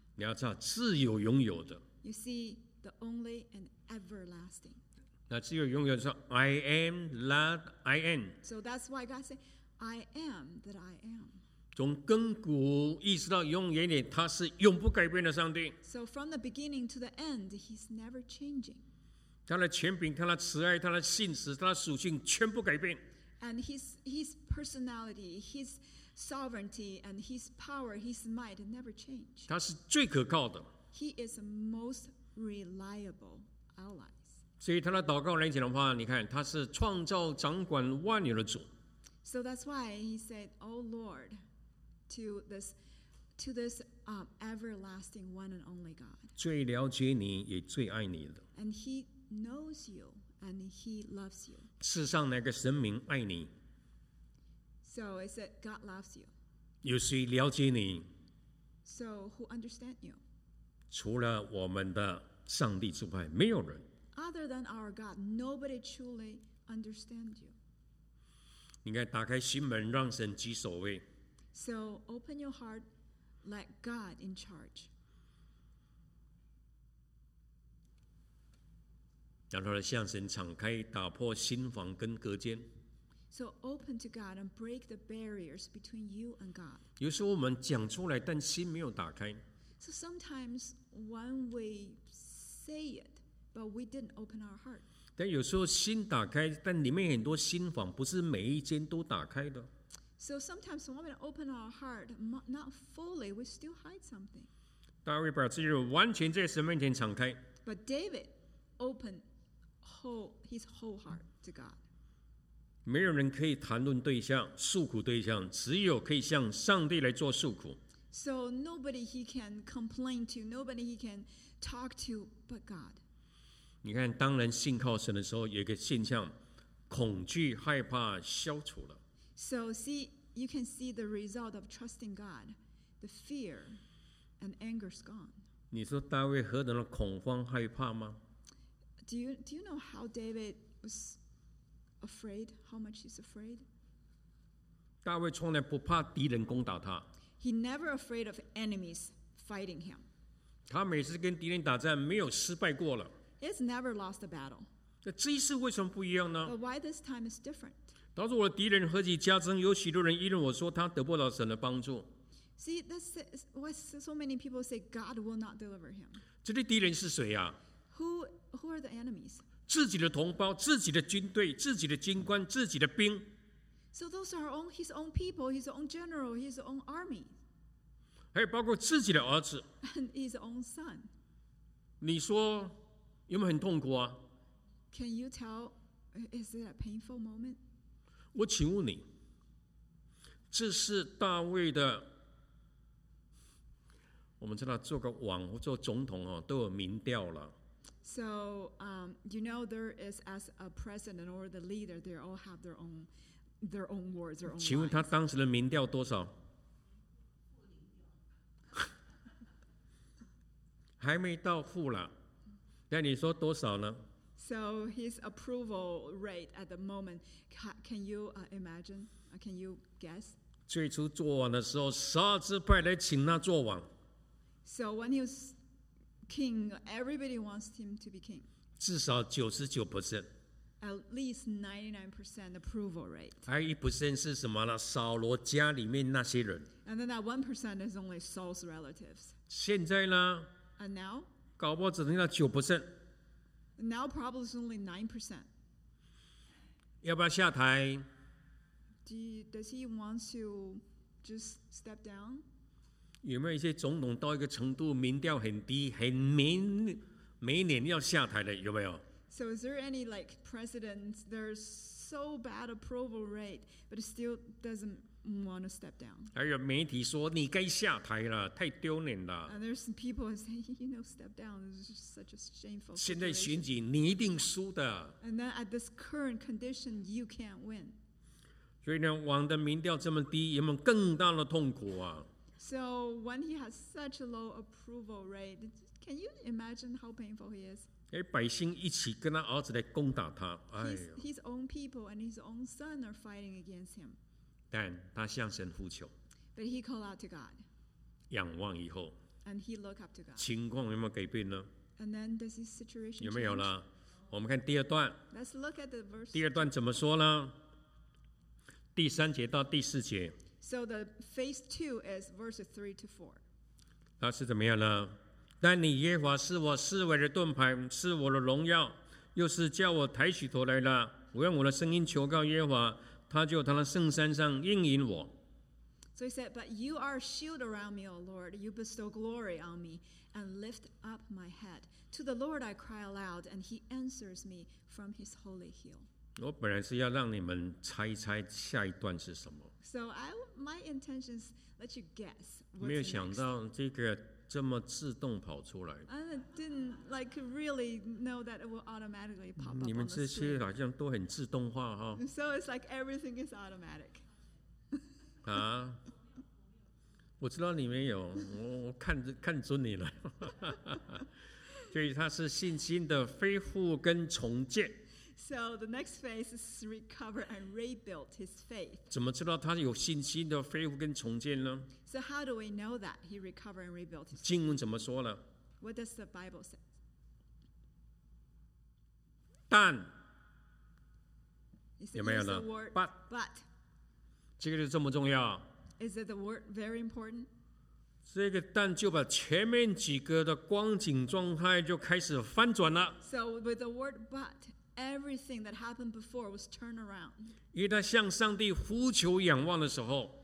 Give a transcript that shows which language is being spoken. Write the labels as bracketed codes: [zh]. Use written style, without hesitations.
[zh] 你要知道自由拥有的。 [en] You see the only and everlasting. [zh] 那自由拥有说 [en] I am that I am. So that's why God said, I am that I am. [zh] 从亘古一直到永远里，他是永不改变的上帝。 [en] So from the beginning to the end, he's never changing. [zh] 他的权柄、他的慈爱、他的信实、他的属性全部改变。 [en] And his personality, his sovereignty, and his power, his might never change. [zh] 他是最可靠的。 [en] He is the most reliable allies. [zh] 所以他的祷告来讲的话，你看他是创造掌管万有的主。 [en] So that's why he said, "Oh Lord, to this everlasting one and only God." [zh] 最了解你也最爱你的。 [en] And he knows you. And he loves you. [zh] 世上哪个神明爱你 [en] So it said God loves you. [zh] 有谁了解你 [en] So who understand you? [zh] 除了我们的上帝之外没有人 [en] Other than our God, nobody truly understand you. [zh] 你该打开心门让神居首位 [en] So open your heart, let God in charge. [zh] 然后向神敞开，打破心房跟隔间。 [en] So open to God and break the barriers between you and God. [zh] 有时候我们讲出来，但心没有打开。 [en] So sometimes when we say it, but we didn't open our heart. [zh] 但有时候心打开，但里面很多心房不是每一间都打开的。 [en] So sometimes when we open our heart, not fully, we still hide something. [zh] 大卫把自己完全在神面前敞开。 [en] But David. Open whole, his whole heart to God. [zh] 没有人可以谈论对象、诉苦对象，只有可以向上帝来做诉苦。 [en] So nobody he can complain to, nobody he can talk to but God. [zh] 你看，当人信靠神的时候，有一个现象，恐惧、害怕消除了。 [en] So see, you can see the result of trusting God. The fear and anger is gone. [zh] 你说大卫何等的恐慌、害怕吗？ [en] Do you know how David was afraid? How much he's afraid? [zh] 大卫从来不怕敌人攻打他。 [en] He never afraid of enemies fighting him. [zh] 他每次跟敌人打仗没有失败过了。 [en] He's never lost a battle. [zh] 那这一次为什么不一样呢 [en] ？But why this time is different? [zh] 当时我的敌人何其加增，有许多人议论我说他得不到神的帮助。 [en] See, that's why so many people say God will not deliver him. [zh] 这些敌人是谁呀？ [en] Who are the enemies? [zh] 自己的同胞，自己的军队，自己的军官，自己的兵。 [en] So those are his own people, his own general, his own army. [zh] 还有包括自己的儿子。 [en] And his own son. [zh] 你说有没有很痛苦啊 [en] ？Can you tell? Is it a painful moment? [zh] 我请问你。这是大卫的。我们知道做个王或做总统都有民调了。 [en] So, you know, there is as a president or the leader, they all have their own words, their own lines. [zh] 请问他当时的民调多少？还没到负了，那你说多少呢？ [en] So his approval rate at the moment, can you imagine? Can you guess? [zh] 最初做王的时候，撒支派来请他做王。 [en] So when he was king, everybody wants him to be king. [zh] 至少99%。 [en] At least 99% approval rate. [zh] 还有1%是什么呢？扫罗家里面那些人。 [en] And then that 1% is only Saul's relatives. [zh] 现在呢？ [en] And now? [zh] 搞不好只剩下9%。 [en] Now probably is only 9%. [zh] 要不要下台？ [en] Does he want to just step down? [zh] 有没有一些总统到一个程度民调很低，很明每年要下台的，有没有？ [en] So is there any like president, there's so bad approval rate, but still doesn't want to step down? [zh] 还有媒体说你该下台了，太丢脸了。 [en] And there's some people who say, you know, step down, this is such a shameful situation. [zh] 现在选举你一定输的。 [en] And then at this current condition, you can't win. [zh] 所以呢，王的民调这么低，有没有更大的痛苦啊？ [en] So when he has such a low approval rate, can you imagine how painful he is? [zh] 百姓一起跟他儿子来攻打他。 [en] His own people and his own son are fighting against him. [zh] 但他向神呼求。 [en] But he called out to God. [zh] 仰望以后。 [en] And he looked up to God. [zh] 情况有没有改变呢？ [en] And then does his situation change? [zh] 有没有呢？我们看第二段。 [en] Let's look at the verse. [zh] 第二段怎么说呢？第三节到第四节。 [en] So the phase two is verses 3-4. [zh] 那是怎么样呢？但你耶和华是我四围的盾牌，是我的荣耀，又是叫我抬起头来的。我用我的声音求告耶和华，他就他的圣山上应允我。 [en] So he said, but you are a shield around me, O Lord. You bestow glory on me and lift up my head. To the Lord I cry aloud, and he answers me from his holy hill. [zh] 我本来是要让你们猜一猜下一段是什么。 [en] So my intention is let you guess. [zh] 没有想到这个这么自动跑出来。 [en] I didn't like really know that it will automatically pop up. [zh] 你们这些好像都很自动化哈。 [en] So it's like everything is automatic. [zh] 啊，我知道你没有，我看准你了。所以它是信心的恢复跟重建。 [en] So the next phase is recover and rebuild his faith. [zh] 怎么知道他有信心的恢复跟重建呢？ [en] So how do we know that he recovered and rebuilt his faith? [zh] 经文怎么说呢？ [en] What does the Bible say? [zh] 但有没有呢？ [en] But [zh] 这个就这么重要？ [en] Is it the word very important? [zh] 这个但就把前面几个的光景状态就开始翻转了。 [en] So with the word but,Everything that happened before was turned around. [zh] 因为他向上帝呼求仰望的时候，